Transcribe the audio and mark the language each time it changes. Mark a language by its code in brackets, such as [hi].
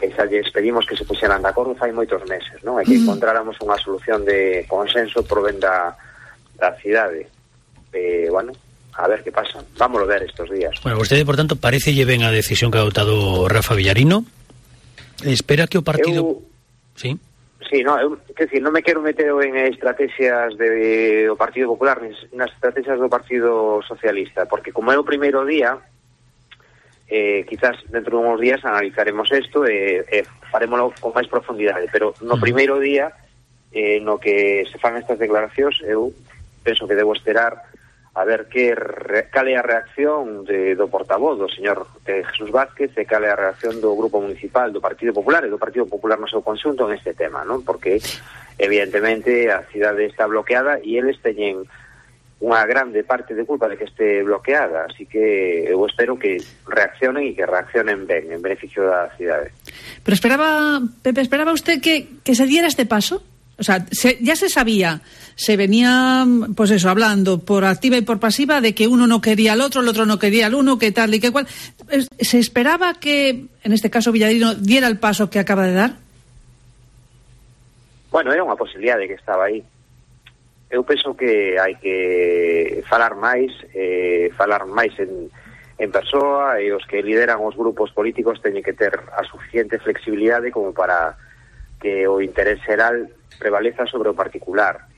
[es] Les pedimos que se pusieran [gl] de acordo fai moitos meses, ¿no? E que encontráramos unha solución de consenso por ben da cidade. [es] Bueno, a ver que pasa. Vámonos a ver estos días. Bueno, ustedes, por tanto, parece lleven a decisión que ha adoptado Rafa Villarino. [gl] Espera que o partido... [es] Sí. Sí, no, es decir, no me quiero meter en estrategias do Partido Popular ni en las estrategias do Partido Socialista, [gl] porque como é o primeiro día... [es] quizás dentro de unos días analizaremos esto, [gl] faremoslo con máis profundidade, pero no primeiro día no que se fan estas declaracións, eu penso que debo esperar a ver cal é a reacción do portavoz, do señor Jesús Vázquez, e cal é a reacción do Grupo Municipal do Partido Popular e do Partido Popular no seu conxunto en este tema, ¿no? Porque evidentemente a cidade está bloqueada e eles teñen unha grande parte de culpa de que este bloqueada, así que eu espero que reaccionen e que reaccionen ben, en beneficio da cidade. [es] Pero esperaba usted que se diera este paso? O sea, ya se sabía, se venía, pues eso, hablando por activa y por pasiva de que uno no quería al otro, el otro no quería al uno, que tal y que cual. ¿Se esperaba que, en este caso, Villarino diera el paso que acaba de dar? [gl] Bueno, era unha posibilidade que estaba aí. Eu penso que hai que falar máis en persoa, e os que lideran os grupos políticos teñen que ter a suficiente flexibilidade como para que o interés xeral prevaleza sobre o particular.